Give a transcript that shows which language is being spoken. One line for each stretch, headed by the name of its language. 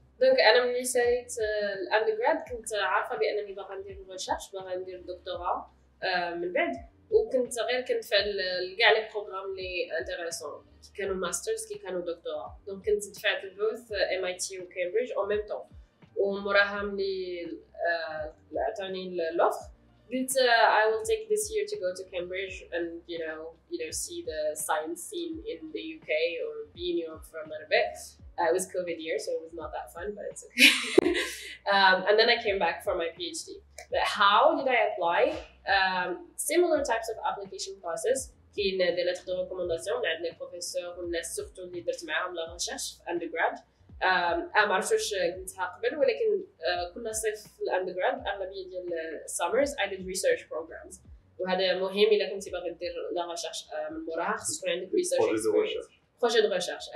Arabic: دونك انا ملي ساليت الاندرغراد كنت عارفه بانني باغا ندير ريسيرش باغا ندير دكتوراه من بعد, وكنت غير كنفعل كاع لي بروغرام لي انتريسون كي كانوا ماسترز كي كانوا دكتوراه. دونك كنت دفعت البوث ام اي تي وكامبريدج او ميم طون, ومراها ملي عطاني لوف قلت
English: I will take this year to go to Cambridge and you know see the science scene in the UK or be in Europe for a little bit. It was COVID year, so it was not that fun, but it's okay. And then I came back for my PhD. But how did I apply? Similar types of application process.
Arabic: كاين دي لتر دو ريكومونداسيون عند لي بروفيسور والناس سورتو اللي درت معاهم لا ريشيرش في اندرغراد. ما عرفتش واش قلتها قبل, ولكن كنا صيف في الاندرغراد اغلبيه ديال السامرز اي ديد ريسيرش بروجرامز, وهذا مهم الا كنتي باغي دير لا ريشيرش من مورا خاص تكون عندك ريسيرش بروجي دو ريشيرش.